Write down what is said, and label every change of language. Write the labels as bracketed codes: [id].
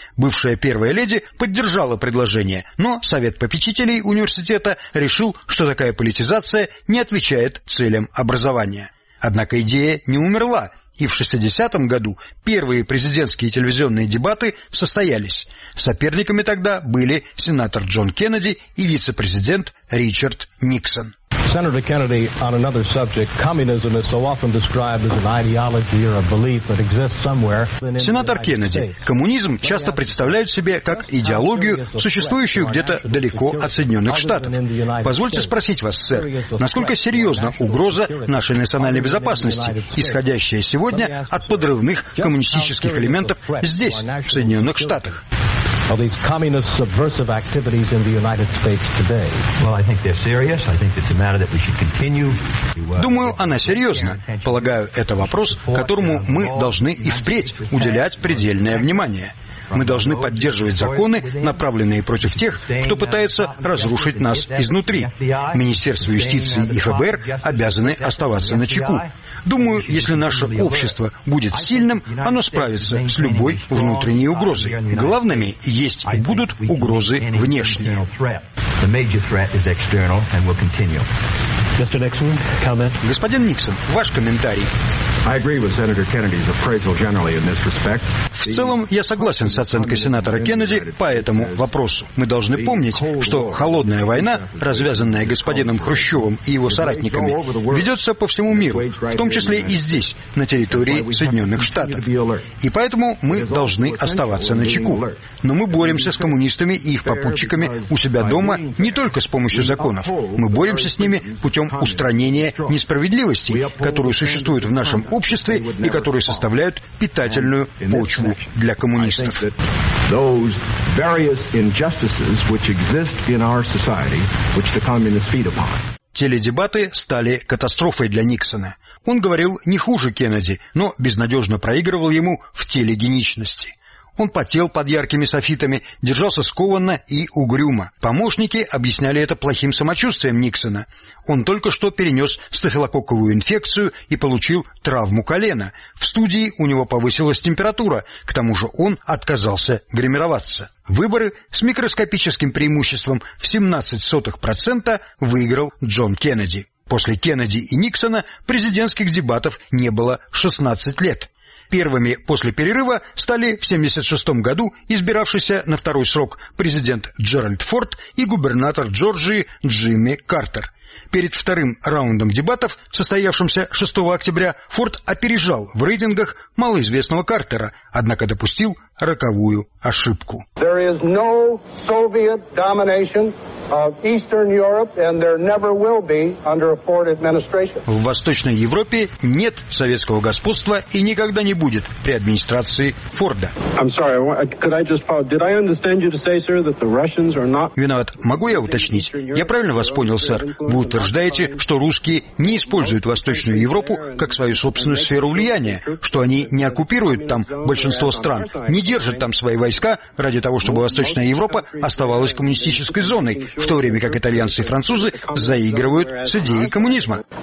[ru] Бывшая первая леди поддержала предложение, но совет попечителей университета решил, что такая политизация не отвечает целям образования. Однако идея не умерла, и в 1960 году первые президентские телевизионные дебаты состоялись. Соперниками тогда были сенатор Джон Кеннеди и вице-президент Ричард Никсон. [en] Senator Kennedy, on another subject, communism is so often described as an ideology or a belief that exists somewhere. [ru] Сенатор Кеннеди, коммунизм часто представляют себе как идеологию, существующую где-то далеко от Соединенных Штатов. Позвольте спросить вас, сэр, насколько серьезна угроза нашей национальной безопасности, исходящая сегодня от подрывных коммунистических элементов здесь, в Соединенных Штатах? [en] Are these communist subversive activities in the United States today? Well, I think they're serious. I think it's a matter that we should continue. [ru] Думаю, она серьезна. Полагаю, это вопрос, которому мы должны и впредь уделять предельное внимание. Мы должны поддерживать законы, направленные против тех, кто пытается разрушить нас изнутри. Министерство юстиции и ФБР обязаны оставаться на чеку. Думаю, если наше общество будет сильным, оно справится с любой внутренней угрозой. Главными есть и будут угрозы внешние. Господин Никсон, ваш комментарий. [en] I agree with Senator Kennedy's appraisal generally in this respect. [ru] В целом, я согласен с оценкой сенатора Кеннеди по этому вопросу. Мы должны помнить, что холодная война, развязанная господином Хрущевым и его соратниками, ведется по всему миру, в том числе и здесь, на территории Соединенных Штатов. И поэтому мы должны оставаться на чеку. Но мы боремся с коммунистами и их попутчиками у себя дома не только с помощью законов. Мы боремся с ними путем устранения несправедливостей, которые существуют в нашем обществе и которые составляют питательную почву для коммунистов. [en] Those various injustices which exist in our society, which the communists feed upon. [ru] Теледебаты стали катастрофой для Никсона. Он говорил не хуже Кеннеди, но безнадежно проигрывал ему в телегеничности. Он потел под яркими софитами, держался скованно и угрюмо. Помощники объясняли это плохим самочувствием Никсона. Он только что перенес стафилококковую инфекцию и получил травму колена. В студии у него повысилась температура, к тому же он отказался гримироваться. Выборы с микроскопическим преимуществом в 0,17% выиграл Джон Кеннеди. После Кеннеди и Никсона президентских дебатов не было 16 лет. Первыми после перерыва стали в 1976 году избиравшийся на второй срок президент Джеральд Форд и губернатор Джорджии Джимми Картер. Перед вторым раундом дебатов, состоявшимся 6 октября, Форд опережал в рейтингах малоизвестного Картера, однако допустил роковую ошибку. [en] There is no Soviet domination of Eastern Europe, and there never will be under a Ford administration. [ru] В Восточной Европе нет советского господства и никогда не будет при администрации Форда. [en] I'm sorry, could I just pause? Did I understand you to say, sir, that the Russians are not? [ru] Виноват. Могу я уточнить? Я правильно вас понял, сэр? Вы утверждаете, что русские не используют Восточную Европу как свою собственную сферу влияния, что они не оккупируют там большинство стран, не держат там свои войска ради того, чтобы Восточная Европа оставалась коммунистической зоной, в то время как итальянцы и французы заигрывают с идеей коммунизма.